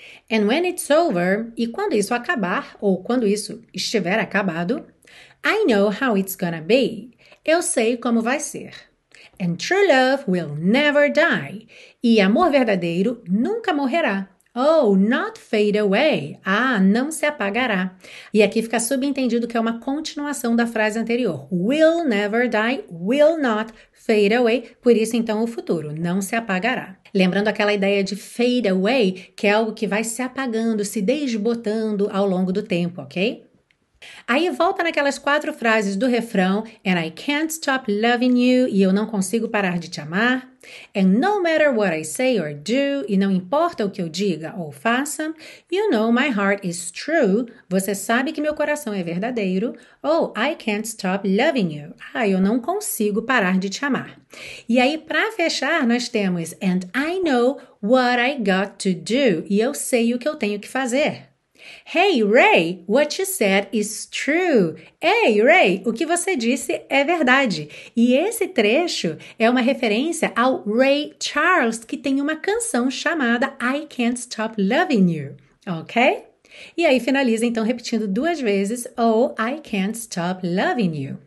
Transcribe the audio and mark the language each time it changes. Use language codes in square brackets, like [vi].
[en] And when it's over, [pt] e quando isso acabar, ou quando isso estiver acabado, [en] I know how it's gonna be. [pt] Eu sei como vai ser. [en] And true love will never die. [pt] E amor verdadeiro nunca morrerá. [en] Oh, not fade away. [pt] Ah, não se apagará. E aqui fica subentendido que é uma continuação da frase anterior. [en] Will never die, will not fade away. [pt] Por isso, então, o futuro não se apagará. Lembrando aquela ideia de fade away, que é algo que vai se apagando, se desbotando ao longo do tempo, ok? Aí volta naquelas quatro frases do refrão: [en] And I can't stop loving you, [pt] e eu não consigo parar de te amar. [en] And no matter what I say or do, [pt] e não importa o que eu diga ou faça, [en] you know my heart is true, [pt] você sabe que meu coração é verdadeiro. [en] Oh, I can't stop loving you. [pt] Ah, eu não consigo parar de te amar. E aí, para fechar, nós temos [en] And I know what I got to do, [pt] e eu sei o que eu tenho que fazer. [en] Hey Ray, what you said is true. [pt] Hey Ray, o que você disse é verdade. E esse trecho é uma referência ao Ray Charles, que tem uma canção chamada I Can't Stop Loving You, ok? E aí finaliza então repetindo duas vezes: [en] Oh, I can't stop loving you.